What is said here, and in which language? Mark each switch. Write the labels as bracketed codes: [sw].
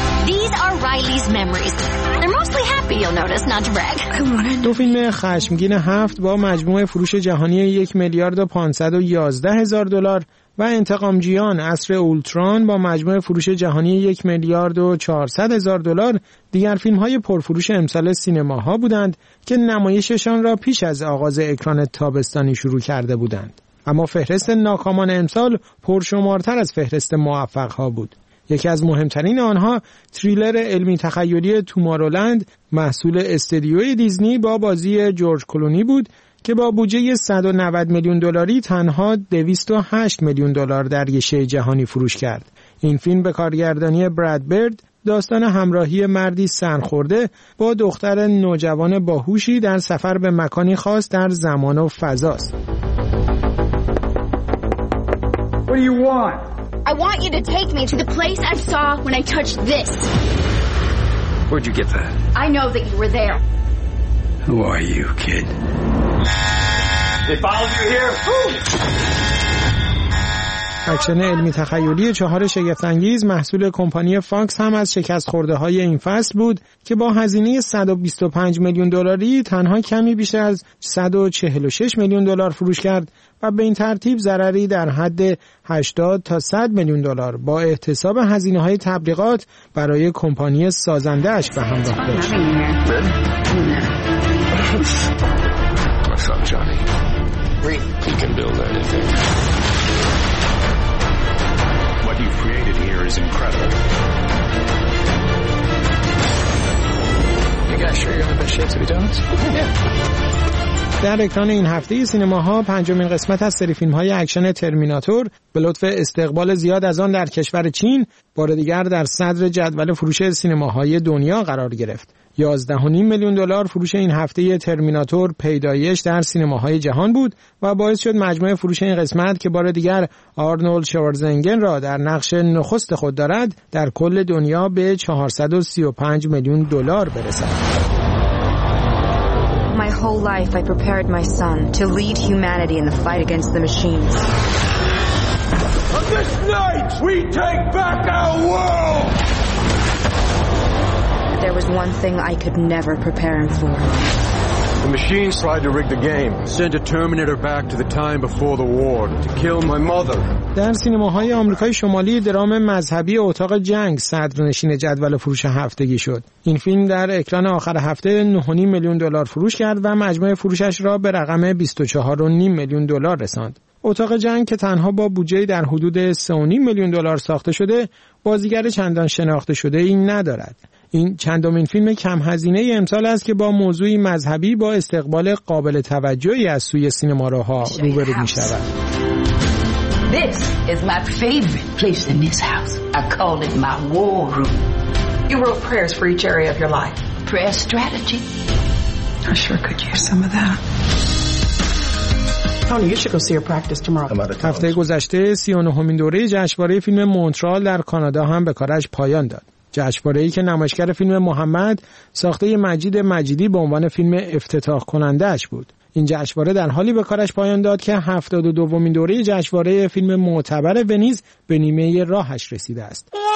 [en] These are Riley's memories. They're mostly happy, you'll notice, not to brag. [fa] دو فیلم خشمگین هفت با مجموع فروش جهانی 1,511,000 دلار و انتقامجویان عصر اولتران با مجموع فروش جهانی 1,400,000 دلار دیگر فیلم‌های پرفروش امسال سینماها بودند که نمایششان را پیش از آغاز اکران تابستانی شروع کرده بودند. اما فهرست ناکامان امسال پرشمارتر از فهرست موفق‌ها بود. یکی از مهمترین آنها تریلر علمی تخیلی تومارولند محصول استودیوی دیزنی با بازی جورج کلونی بود که با بودجه 190 میلیون دلاری تنها 208 میلیون دلار در گشه جهانی فروش کرد. این فیلم به کارگردانی براد برد داستان همراهی مردی سرخورده با دختر نوجوان باهوشی در سفر به مکانی خاص در زمان و فضاست. [en] What do you want? I want you to take me to the place I saw when I touched this. Where'd you get that? I know that you were there. Who are you, kid? [fa] اکشن علمی تخیلی چهار شگفت‌انگیز محصول کمپانی فاکس هم از شکست خورده های این فصل بود که با هزینه 125 میلیون دلاری تنها کمی بیشتر از 146 میلیون دلار فروش کرد و به این ترتیب ضرری در حد 80 تا 100 میلیون دلار با احتساب هزینه های تبلیغات برای کمپانی سازنده اش به همراه داشت. [en] Son Johnny. Great. He can build anything. What you've created here is incredible. You guys sure you're in the best shape to be donuts? Yeah. [fa] در اکران این هفته سینماها پنجمین قسمت از سری فیلم‌های اکشن ترمیناتور به لطف استقبال زیاد از آن در کشور چین بار دیگر در صدر جدول فروش سینماهای دنیا قرار گرفت. 11.5 میلیون دلار فروش این هفته ترمیناتور پیدایش در سینماهای جهان بود و باعث شد مجموع فروش این قسمت که بار دیگر آرنولد شوارزنگر را در نقش نخست خود دارد در کل دنیا به 435 میلیون دلار برسد. [en] My whole life I prepared my son to lead humanity in the fight against the machines. On this night we take back our world. There was one thing I could never prepare him for. The machines tried to rig the game, send a Terminator back to the time before the war to kill my mother. [fa] در سینماهای آمریکای شمالی درام مذهبی اتاق جنگ صدرنشین جدول فروش هفتگی شد. این فیلم در اکران آخر هفته 9.5 میلیون دلار فروش کرد و مجموع فروشش را به رقم 24.5 میلیون دلار رساند. اتاق جنگ که تنها با بودجه در حدود 3.5 میلیون دلار ساخته شده، بازیگر چندان شناخته شده این ندارد. این چندمین فیلم کم هزینه ای امسال است که با موضوعی مذهبی با استقبال قابل توجهی از سوی سینما روها روبرو می شود. [en] This is my favorite place in this house. I call it my war room. You wrote prayers for each area of your life. Prayer strategy. I sure could use some of that. [fa] هفته گذشته 39مین دوره جشنواره فیلم مونترال در کانادا هم به کارش پایان داد. جشنواره‌ای که نمایشگر فیلم محمد ساخته مجید مجیدی به عنوان فیلم افتتاح کننده‌اش بود. این جشنواره در حالی به کارش پایان داد که 72مین دوره جشنواره فیلم معتبر ونیز به نیمه راهش رسیده است.